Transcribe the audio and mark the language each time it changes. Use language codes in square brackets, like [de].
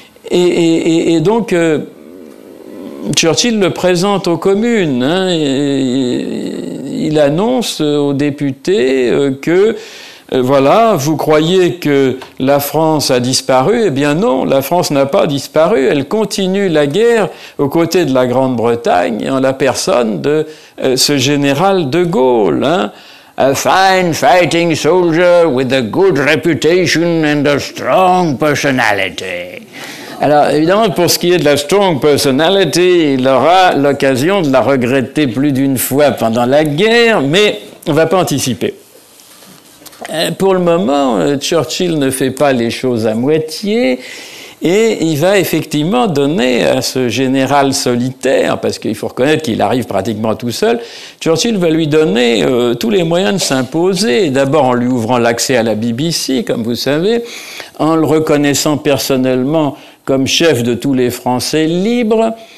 [fr] Et donc, Churchill le présente aux communes, hein, il annonce aux députés que voilà, vous croyez que la France a disparu? Eh bien non, la France n'a pas disparu. Elle continue la guerre aux côtés de la Grande-Bretagne en la personne de ce général de Gaulle. Hein. [en] A fine fighting soldier with a good reputation and a strong personality. [fr] Alors évidemment, pour ce qui est de la [en] strong personality, [fr] il aura l'occasion de la regretter plus d'une fois pendant la guerre, mais on ne va pas anticiper. Pour le moment, Churchill ne fait pas les choses à moitié et il va effectivement donner à ce général solitaire, parce qu'il faut reconnaître qu'il arrive pratiquement tout seul, Churchill va lui donner tous les moyens de s'imposer, d'abord en lui ouvrant l'accès à la BBC, comme vous savez, en le reconnaissant personnellement comme chef de tous les Français libres,